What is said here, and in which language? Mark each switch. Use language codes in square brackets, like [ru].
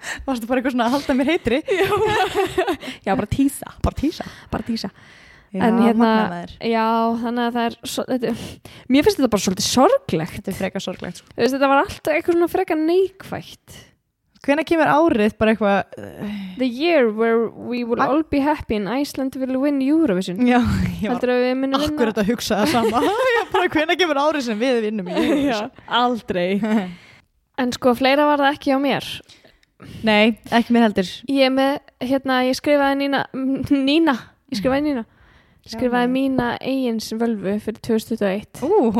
[is] Varstu bara eitthvað svona að halda mér heitri? Já, bara tísa. Já, en hérna, já, þannig að það er mér finnst þetta bara svolítið sorglegt Þetta er frekar sorglegt sko. Veist, Þetta var alltaf eitthvað svona frekar neikvætt Hvenær kemur árið bara eitthvað [en] The year where we will all be happy and Iceland will win Eurovision [is] Já, heldur að við munum vinna Akkur þetta hugsa það sama Hvenær kemur árið sem við vinnum í Eurovision já, Aldrei En sko, fleira var það ekki á mér Nei, ekki mér heldur Ég með, hérna, ég skrifaði Nína Skrifaði mína eigins völvu fyrir 2021.